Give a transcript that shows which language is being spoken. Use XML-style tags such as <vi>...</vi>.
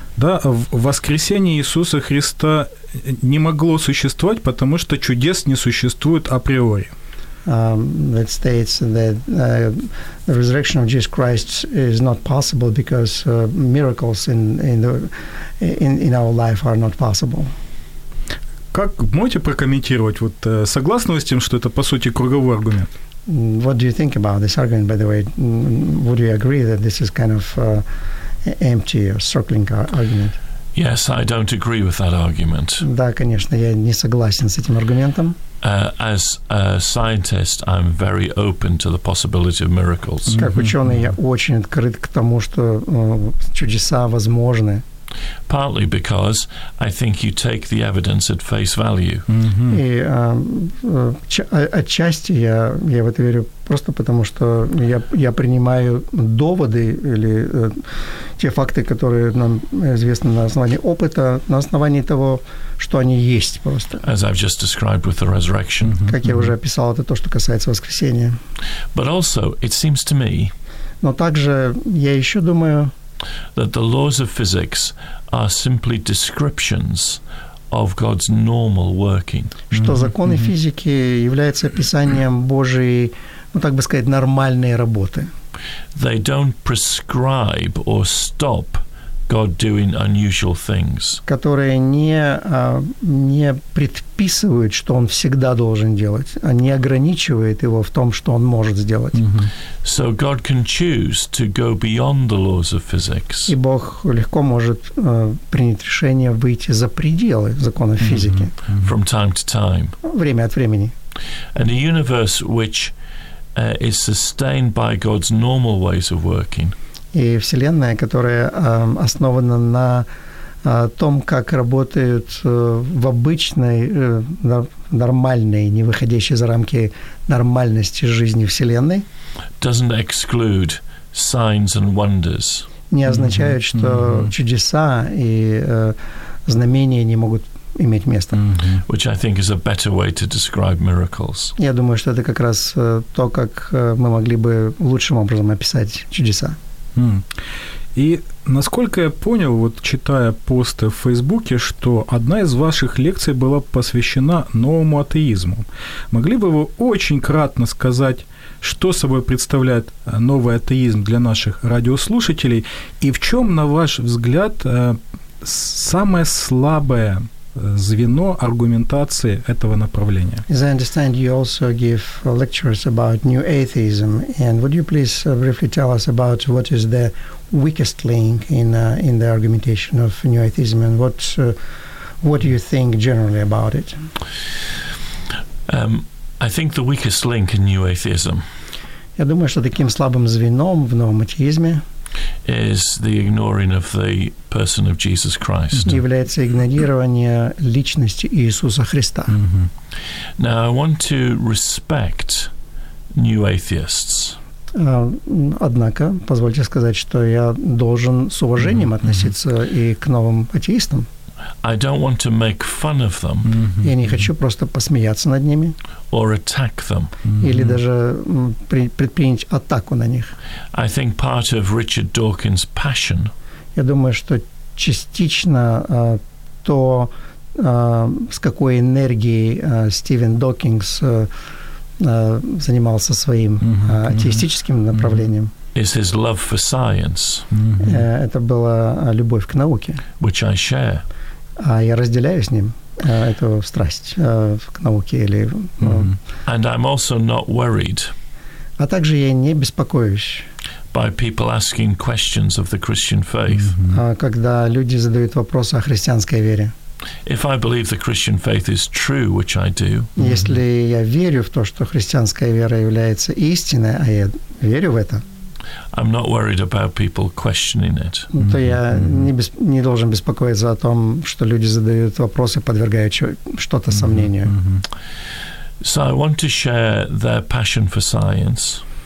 <ru>Да, воскресение Иисуса Христа не могло существовать, потому что чудес не существует априори.</ru> <en>That states that the resurrection of Jesus Christ is not possible because miracles in our life are not possible.</en> <ru>Как можете прокомментировать? Вот согласны вы с тем, что это по сути круговой аргумент?</ru> <en>What do you think about this argument, by the way? Would you agree that this is kind of empty or circling argument? Yes, I don't agree with that argument.</en> <ru>Да, конечно, я не согласен с этим аргументом.</ru> <en>As a scientist, I'm very open to the possibility of miracles.</en> <ru>Как ученый, я очень открыт к тому, что чудеса возможны.</ru> <en>Partly because I think you take the evidence at face value.</en> <ru>И отчасти я в это верю просто потому, что я принимаю доводы или те факты, которые нам известны на основании опыта, на основании того, что они есть просто.</ru> <en>As I've just described with the resurrection.</en> <ru>Как я уже описал, это то, что касается воскресения.</ru> <en>But also, it seems to me.</en> <ru>Но также я еще думаю.</ru> <en>That the laws of physics are simply descriptions of God's normal working.</en> <ru>Что законы физики являются описанием Божьей, ну так бы сказать, нормальной работы.</ru> <en>They don't prescribe or stop God doing unusual things.</en> <ru>Которые не предписывают, что он всегда должен делать, а не ограничивает его в том, что он может сделать. Mm-hmm.</ru> <en>So God can choose to go beyond the laws of physics.</en> <ru>И Бог легко может принять решение выйти за пределы законов mm-hmm. физики.</ru> <en>From time to time.</en> <ru>Время от времени.</ru> <en>And a universe which is sustained by God's normal ways of working.</en> <ru>И Вселенная, которая основана на том, как работают в обычной, нормальной, не выходящей за рамки нормальности жизни Вселенной,</ru> <en>doesn't exclude signs and wonders.</en> <ru>Не означает, mm-hmm. что mm-hmm. чудеса и знамения не могут иметь место. Mm-hmm.</ru> <en>Which I think is a better way to describe miracles.</en> <ru>Я думаю, что это как раз то, как мы могли бы лучшим образом описать чудеса. И насколько я понял, вот читая посты в Фейсбуке, что одна из ваших лекций была посвящена новому атеизму. Могли бы вы очень кратко сказать, что собой представляет новый атеизм для наших радиослушателей, и в чем, на ваш взгляд, самое слабое звено аргументации этого направления?</ru> <en>As I understand, you also give lectures about new atheism, and would you please briefly tell us about what is the weakest link in the argumentation of new atheism, and what do you think generally about it? I think the weakest link in new atheism.</en> <ru>Я думаю, что таким слабым звеном в новом атеизме</ru> <en>is the ignoring of the person of Jesus Christ.</en> <ru>Является игнорирование личности Иисуса Христа.</ru> <en>Now I want to respect new atheists.</en> <ru>Однако, позвольте сказать, что я должен с уважением mm-hmm. относиться и к новым атеистам.</ru> <en>I don't want to make fun of them.</en> <ru>Я не хочу просто посмеяться над ними.</ru> <en>Or attack them.</en> <ru>Или даже предпринять атаку на них.</ru> <en>I think part of Richard Dawkins' passion.</en> <ru>Я думаю, что частично то, с какой энергией Стивен Докинс занимался своим атеистическим направлением.</ru> <en>Is his love for science.</en> <ru>Это была любовь к науке.</ru> <en>Which I share.</en> <ru>А я разделяю с ним эту страсть к науке или.</ru> <en>And I'm also not worried.</en> <ru>А также я не беспокоюсь.</ru> <en>By people asking questions of the Christian faith.</en> <ru>Когда люди задают вопросы о христианской вере.</ru> <en>If I believe the Christian faith is true, which I do.</en> <ru>Если я верю в то, что христианская вера является истиной, а я верю в это.</ru> <en>I'm not worried about people questioning it.</en> <ru>То я не должен беспокоиться о том, что люди задают вопросы, подвергают что-то сомнению.</ru> <en>So I want to share their passion for science.</en>